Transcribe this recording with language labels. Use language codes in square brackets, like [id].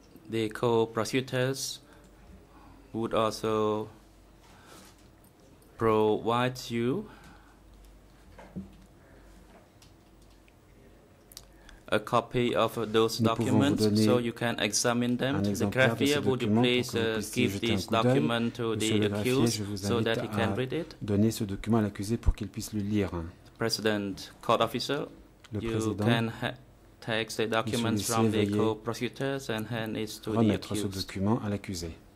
[en] The co-prosecutors would also provide you a copy of those documents, so you can examine them. The graphier, would you please give this document to the accused so that he can read it? [fr] Donner ce document à l'accusé pour qu'il puisse le lire. [en] President, court officer, you can take the documents from the co-prosecutors and hand it to the accused. [fr] Remettre ce document à l'accusé.